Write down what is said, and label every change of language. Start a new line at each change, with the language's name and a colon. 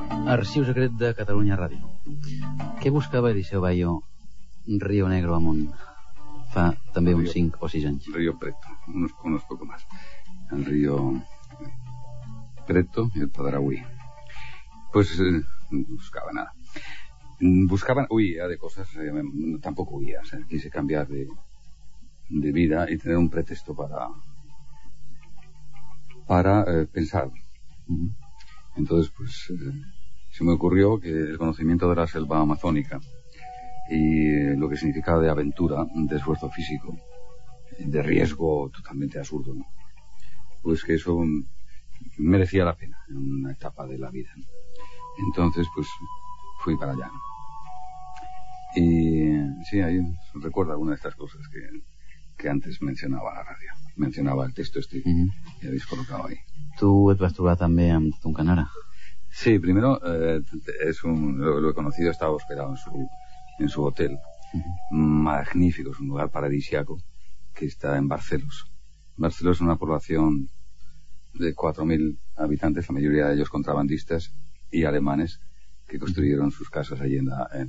Catalan: l'arxiu secret de Catalunya Ràdio. Què buscava Eliseo Bayo Río Negro amunt fa també uns 5 o 6 anys?
Spanish: Río Preto, unos poco más. El río Preto y el Padarauí. Pues buscaba nada. Buscaba, huía de cosas, tampoco huía. O sea, quise cambiar de vida y tener un pretexto para pensar. Entonces, pues, se me ocurrió que el conocimiento de la selva amazónica y lo que significaba de aventura, de esfuerzo físico, de riesgo totalmente absurdo, ¿no? Pues que eso merecía la pena en una etapa de la vida. Entonces, pues, fui para allá. Y sí, ahí recuerdo alguna de estas cosas que antes mencionaba la radio. Mencionaba el texto este que habéis colocado ahí.
Catalan: ¿Tú et vas trobar també amb Tunkanara?
Spanish: Sí, primero lo he conocido, estaba hospedado en su hotel. Magnífico, es un lugar paradisiaco que está en Barcelos. Barcelos es una población de 4.000 habitantes, la mayoría de ellos contrabandistas y alemanes que construyeron sus casas allí en la...